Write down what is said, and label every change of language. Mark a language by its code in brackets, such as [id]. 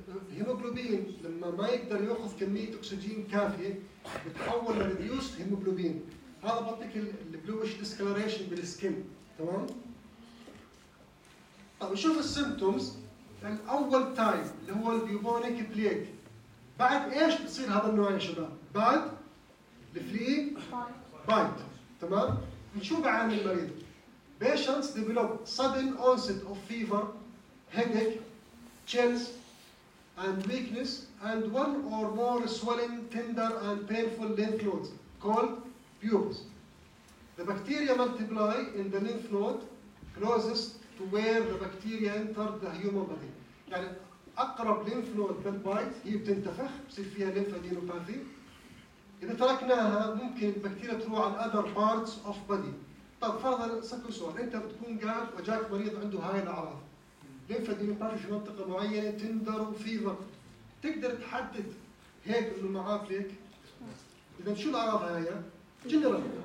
[ar] الهيموغلوبين لما ما يقدر ياخذ كميه اكسجين كافيه بتحول لريديوس هيموغلوبين، هذا بعطيك البلوش ديسكلاريشن بالسكن. تمام؟ طب نشوف السيمبتومز. الاول تايم اللي هو البيوبونيك بليك، بعد ايش بصير هذا النوع يا شباب؟ بعد الفليج بايت. تمام؟ شو بعاني المريض؟ [en] patients develop sudden onset of fever, headache, chills and weakness and one or more swelling tender and painful lymph nodes called pubes. The bacteria multiply in the lymph node closest to where the bacteria enter the human body. [ar] يعني أقرب lymph node للبايت هي بتنتفخ، بصير فيها lymphadenopathy. إذا تركناها ممكن البكتيريا تروح على [en] other parts of body. [ar] طب فرضا سألكم سؤال، أنت بتكون قاعد وجاك مريض عنده هاي الأعراض، lymphadenopathy في منطقة معينة، تندر وفيفر، تقدر تحدد هيك إنه معاه بليك؟ إذا شو الأعراض هاي؟ جنرال.